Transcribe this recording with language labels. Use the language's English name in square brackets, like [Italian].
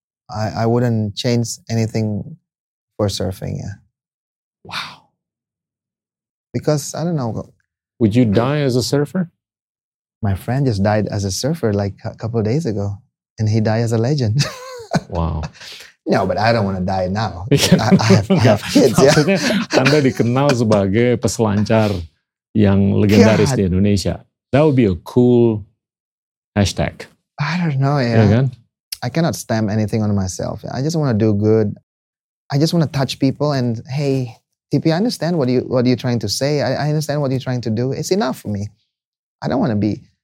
[English] I wouldn't change anything for surfing, yeah. Wow. Because, I don't know. Would you die as a surfer? My friend just died as a surfer like a couple of days ago. And he died as a legend. Wow. No, but I don't want to die now. I have kids. Yeah. [Indonesian] Maksudnya, Anda dikenal sebagai peselancar yang legendaris di Indonesia. [English] That would be a cool hashtag. I don't know. Yeah. Yeah, [Indonesian] kan? [English] I cannot stamp anything on myself. I just want to do good. I just want to touch people. And hey, TP, I understand what you're trying to say. I understand what you're trying to do. It's enough for me. I don't want to be.